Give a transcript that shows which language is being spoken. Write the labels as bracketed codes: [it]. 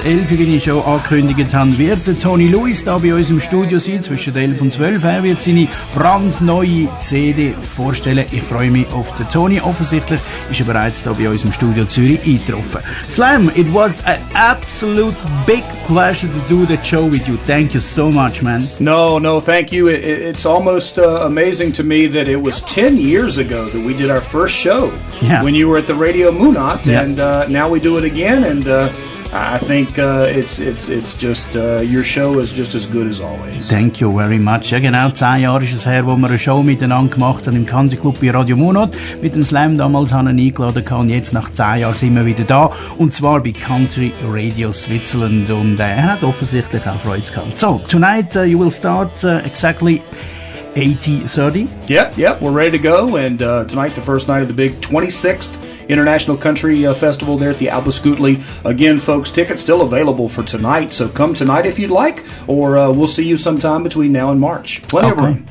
[de] 11, wie ich schon angekündigt habe, wird der Tony Lewis da bei uns im Studio sein, zwischen 11 und 12. Er wird seine brandneue CD vorstellen. Ich freue mich auf den Tony. Offensichtlich ist er bereits da bei uns im Studio Zürich eingetroffen. [en] Slam, it was an absolute big pleasure to do the show with you. Thank you so much, man. No, thank you. It's almost amazing to me that it was 10 years ago that we did our first show. Yeah. When you were at the Radio Moonot, yeah. And now we do it again, and I think it's just your show is just as good as always. Thank you very much. [de] Ja, genau, 10 Jahre ist es her, wo wir eine Show miteinander gemacht haben im Kansi Club bei Radio Moonot. Mit dem Slam damals haben wir eingeladen gehabt, und jetzt nach 10 Jahren sind wir wieder da, und zwar bei Country Radio Switzerland, und er hat offensichtlich auch Freude gehabt. [en] So, tonight you will start exactly 8:30. Yep, we're ready to go, and tonight the first night of the big 26th International Country Festival there at the Albuskutli. Again, folks, tickets still available for tonight, so come tonight if you'd like, or we'll see you sometime between now and March. Whatever.